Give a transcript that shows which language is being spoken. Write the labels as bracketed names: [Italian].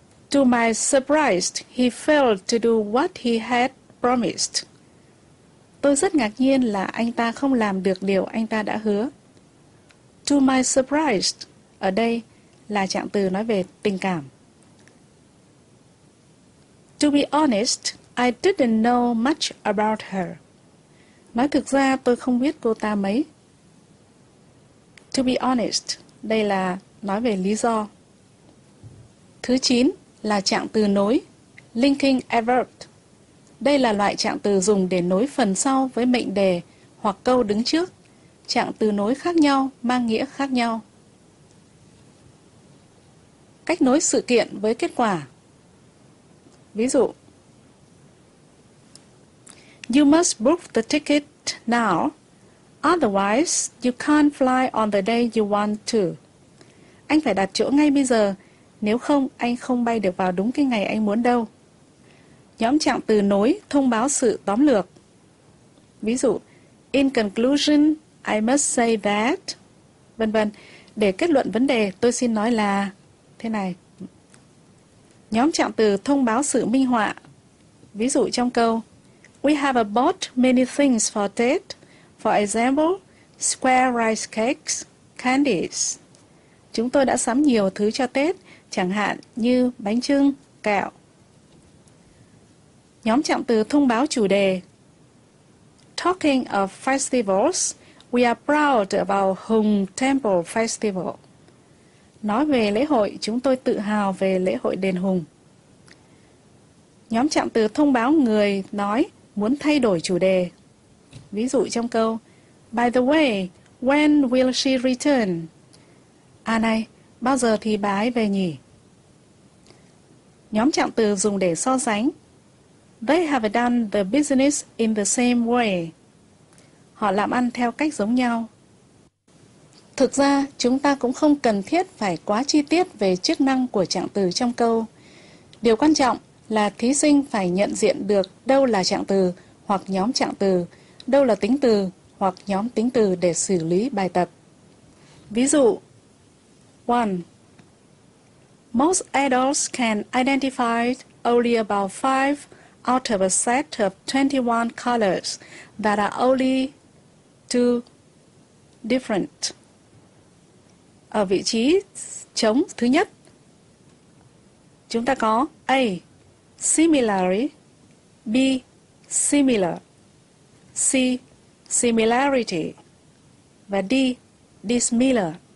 [English] To my surprise, he failed to do what he had promised. [Vietnamese] Tôi rất ngạc nhiên là anh ta không làm được điều anh ta đã hứa. [English] To my surprise, [Vietnamese] ở đây là trạng từ nói về tình cảm. [English] To be honest, I didn't know much about her. [Vietnamese] Nói thực ra tôi không biết cô ta mấy. [English] To be honest, [Vietnamese] đây là nói về lý do. Thứ 9 là trạng từ nối, linking adverb. Đây là loại trạng từ dùng để nối phần sau với mệnh đề hoặc câu đứng trước. Trạng từ nối khác nhau, mang nghĩa khác nhau. Cách nối sự kiện với kết quả. Ví dụ, [English] you must book the ticket now, otherwise you can't fly on the day you want to. [Vietnamese] Anh phải đặt chỗ ngay bây giờ, nếu không anh không bay được vào đúng cái ngày anh muốn đâu. Nhóm trạng từ nối thông báo sự tóm lược. Ví dụ, [English] in conclusion, I must say that, [Vietnamese] vân vân. Để kết luận vấn đề, tôi xin nói là thế này. Nhóm trạng từ thông báo sự minh họa. Ví dụ trong câu, [English] we have bought many things for Tết. For example, square rice cakes, candies. [Vietnamese] Chúng tôi đã sắm nhiều thứ cho Tết, chẳng hạn như bánh chưng, kẹo. Nhóm trạng từ thông báo chủ đề. [English] Talking of festivals, we are proud about Hùng Temple Festival. [Vietnamese] Nói về lễ hội, chúng tôi tự hào về lễ hội Đền Hùng. Nhóm trạng từ thông báo người nói muốn thay đổi chủ đề. Ví dụ trong câu, [English] by the way, when will she return? [Vietnamese] À này, bao giờ thì bà ấy về nhỉ? Nhóm trạng từ dùng để so sánh. [English] They have done the business in the same way. [Vietnamese] Họ làm ăn theo cách giống nhau. Thực ra, chúng ta cũng không cần thiết phải quá chi tiết về chức năng của trạng từ trong câu. Điều quan trọng là thí sinh phải nhận diện được đâu là trạng từ hoặc nhóm trạng từ, đâu là tính từ hoặc nhóm tính từ để xử lý bài tập. Ví dụ, 1. [English] Most adults can identify only about 5 out of a set of 21 colors that are only 2 different. [Vietnamese] Ở vị trí trống thứ nhất, chúng ta có A. [English] Similarly, B. Similar, C. Similarity [Vietnamese] và [English] D. Dissimilar.